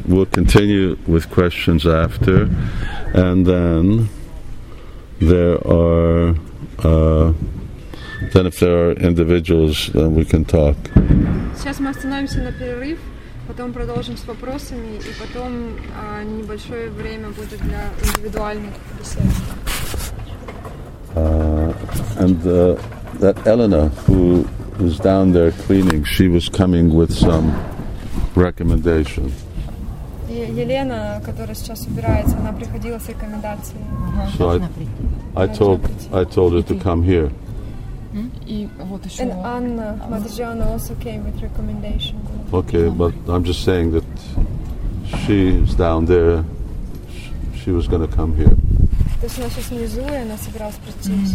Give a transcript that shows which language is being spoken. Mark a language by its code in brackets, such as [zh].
[en] We'll continue with questions after, and then there are then if there are individuals, then we can talk. [ru] Сейчас мы остановимся на перерыв, потом продолжим с вопросами, и потом небольшое время будет для индивидуальных бесед. [en] That Elena who was down there cleaning, she was coming with some recommendation. [ru] Елена, которая сейчас убирается, она приходила с рекомендацией. [en] So I told her to come here. And Anna Madjana also came with recommendation. Okay, but I'm just saying that she's down there. She was going to come here. [ru] То есть она сейчас внизу, и она собиралась прийти.